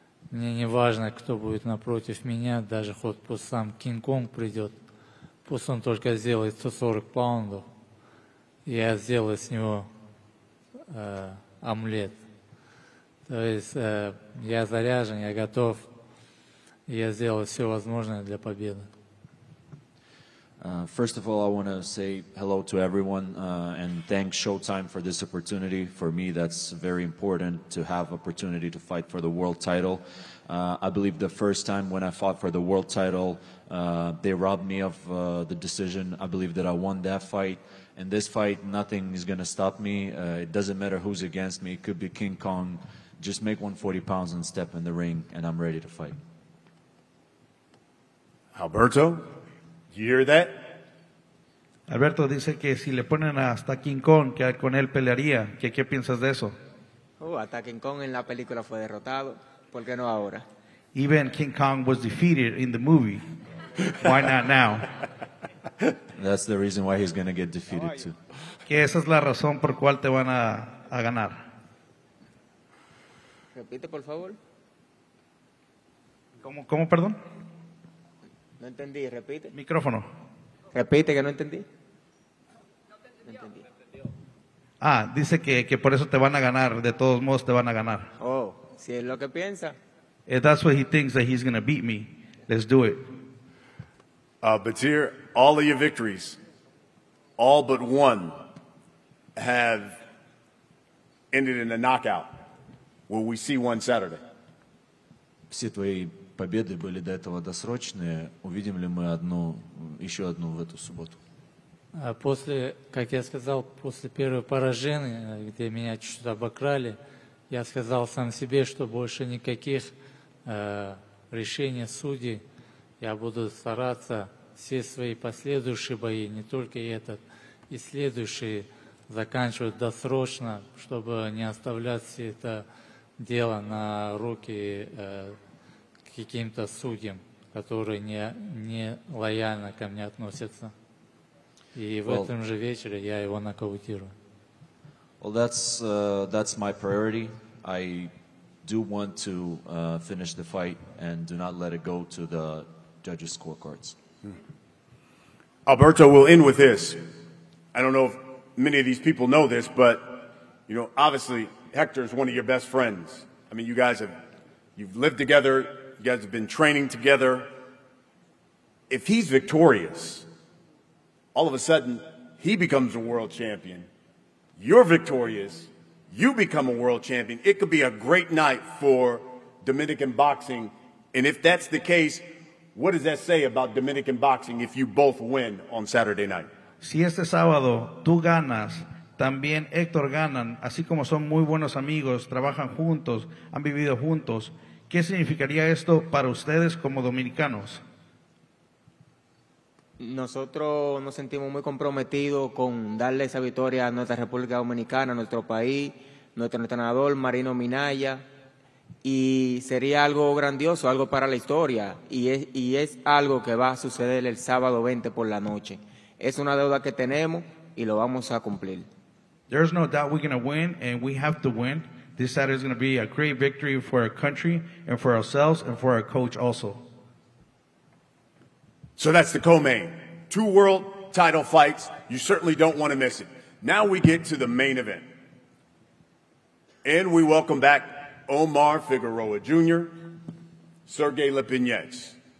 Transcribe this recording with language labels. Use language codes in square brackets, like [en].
[ru] Мне не важно, кто будет напротив меня, даже хоть пусть сам Кинг-Конг придет. Пусть он только сделает 140 паундов, я сделаю с него омлет. То есть я заряжен, я готов. Я сделал все возможное для победы. [en] First of all, I want to say hello to everyone and thank Showtime for this opportunity. For me, that's very important to have opportunity to fight for the world title. I believe the first time when I fought for the world title, they robbed me of the decision. I believe that I won that fight. In this fight, nothing is going to stop me. It doesn't matter who's against me. It could be King Kong. Just make 140 pounds and step in the ring, and I'm ready to fight. Alberto, you hear that? [es] Alberto dice que si le ponen hasta King Kong, que con él pelearía. ¿Qué piensas de eso? Oh, hasta King Kong en la película fue derrotado. ¿Por qué no ahora? [en] Even King Kong was defeated in the movie. Why not now? That's the reason why he's going to get defeated too. [es] Que esa es la razón por cual te van a ganar. Repite, por favor. ¿Cómo, perdón? No entendí, repite. Micrófono. Repite, que no entendí. No entendí. Ah, dice que por eso te van a ganar, de todos modos te van a ganar. Oh, si es lo que piensa. [en] If that's what he thinks, that he's going to beat me. Let's do it. Batyr, all of your victories, all but one, have ended in a knockout. Will we see one Saturday? [ru] Все твои победы были до этого досрочные. Увидим ли мы еще одну в эту субботу? После, как я сказал, после первого поражения, где меня чуть-чуть обокрали, я сказал сам себе, что больше никаких решений судей. Я буду стараться все свои последующие бои, не только этот, и следующие заканчивать досрочно, чтобы не оставлять все это дело на руки каким-то судьям, которые не лояльно ко мне относятся. И в этом же вечере я его нокаутирую. [en] Well, that's my priority. I do want to finish the fight and do not let it go to the judges' scorecards. Alberto, we'll end with this. I don't know if many of these people know this, but, you know, obviously Hector is one of your best friends. I mean, you've lived together. You guys have been training together. If he's victorious, all of a sudden, he becomes a world champion. You're victorious. You become a world champion. It could be a great night for Dominican boxing. And if that's the case, what does that say about Dominican boxing if you both win on Saturday night? [es] Si este sábado tú ganas, también Héctor ganan. Así como son muy buenos amigos, trabajan juntos, han vivido juntos. ¿Qué significaría esto para ustedes como dominicanos? Nosotros nos sentimos muy comprometidos con darle esa victoria a nuestra República Dominicana, a nuestro país, nuestro entrenador Marino Minaya, y sería algo grandioso, algo para la historia, y es algo que va a suceder el sábado 20 por la noche. es una deuda que tenemos y lo vamos a cumplir. [en] There's no doubt we're going to win, and we have to win. This Saturday is going to be a great victory for our country and for ourselves and for our coach also. So that's the co-main. Two world title fights. You certainly don't want to miss it. Now we get to the main event. And we welcome back Omar Figueroa Jr., Sergey Lipinets.